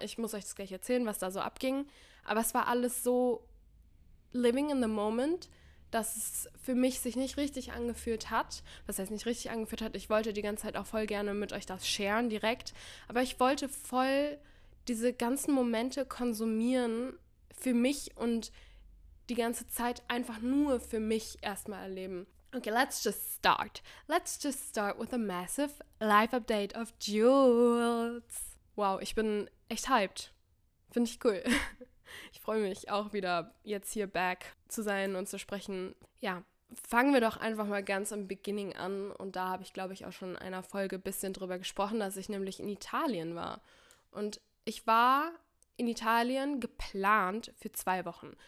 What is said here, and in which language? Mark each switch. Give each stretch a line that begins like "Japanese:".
German: Ich muss euch das gleich erzählen, was da so abging. Aber es war alles so
English: living in the moment,
German: dass es für mich sich nicht richtig angefühlt hat. Was heißt nicht richtig angefühlt hat? Ich wollte die ganze Zeit auch voll gerne mit euch das sharen direkt. Aber ich wollte voll diese ganzen Momente konsumieren für mich und die ganze Zeit einfach nur für mich erstmal erleben.
English: Okay, let's just start. Let's just start with a massive live update of Jules.
German: Wow, ich bin echt hyped. Finde ich cool. Ich freue mich auch wieder jetzt hier back zu sein und zu sprechen. Ja, fangen wir doch einfach mal ganz am Beginning an. Und da habe ich, glaube ich, auch schon in einer Folge ein bisschen drüber gesprochen, dass ich nämlich in Italien war. Und ich war in Italien geplant für 2 Wochen.